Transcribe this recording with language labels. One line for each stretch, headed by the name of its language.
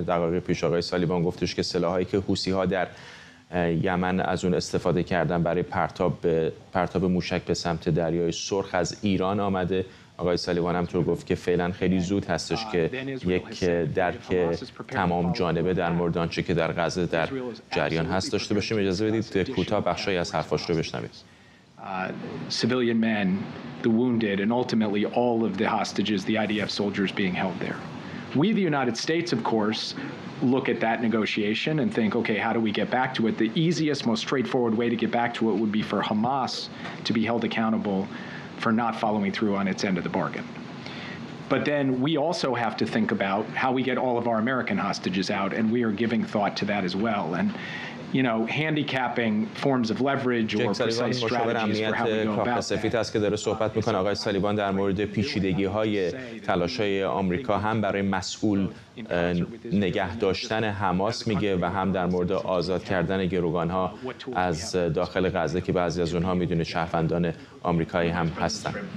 Persian: دقایق پیش آقای سالیوان گفتش که سلاحایی که حوثی‌ها در یمن از اون استفاده کردن برای پرتاب موشک به سمت دریای سرخ از ایران آمده. آقای سالیوان هم طور گفت که فعلا خیلی زود هستش که یک درک تمام جانبه در مورد آنچه که در غزه در جریان هست داشته باشیم. اجازه بدید کوتاه بخشی از حرفاش رو بشنوید.
English: Civilian men, the wounded and ultimately all of the hostages, the IDF soldiers being held there. We the United States of course look at that negotiation and think, okay, how do we get back to it? The easiest, most straightforward way to get back to it would be for Hamas to be held accountable for not following through on its end of the bargain. But then we also have to think about how we get all of our American hostages out, and we are giving thought to that as well. And, you know, handicapping forms of leverage or precise strategies for how we go about that.
Persian: هست که داره صحبت میکنه آقای سالیوان در مورد پیچیدگی های تلاش های آمریکا هم برای مسئول نگه داشتن حماس میگه و هم در مورد آزاد کردن گروگان ها از داخل غزه که بعضی از اونها میدونه شهروندان آمریکایی هم هستن.